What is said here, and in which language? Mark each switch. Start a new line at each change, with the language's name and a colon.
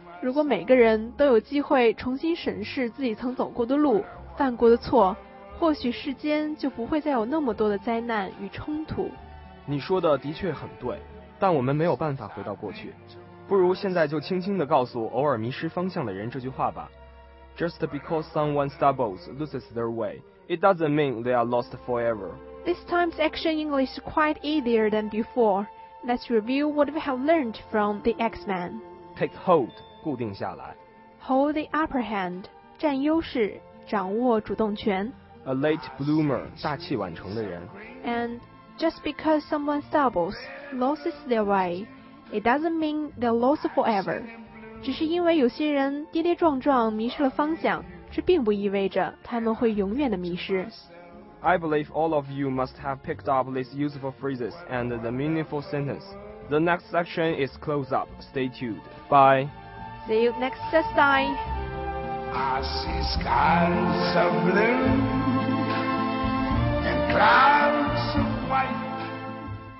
Chinese: 如果每个人都有机会重新审视自己曾走过的路，犯过的错，或许世间就不会再有那么多的灾难与冲突。你说的的确很对，但我们没有办法回到过去，不如现在就轻轻地告诉偶尔迷失方向的人这句话吧。
English: Just because someone stumbles, loses their way, it doesn't mean they are lost forever. This time's action English is quite easier than before. Let's review what we have learned from the X-Men. Take hold,
Chinese: 固定下来。
English: Hold the upper hand,
Chinese: 占优势，掌握主动权。
English: A late bloomer,
Chinese: 大器晚成的人。
English: And just because someone stumbles, loses their way, it doesn't mean they're lost forever.
Chinese: 只是因为有些人跌跌撞撞迷失了方向，这并不意味着他们会永远的迷失。
English: I believe all of you must have picked up these useful phrases and the meaningful sentence. The next section is close up. Stay tuned. Bye. See you next Thursday. I see skies of blue and clouds of white.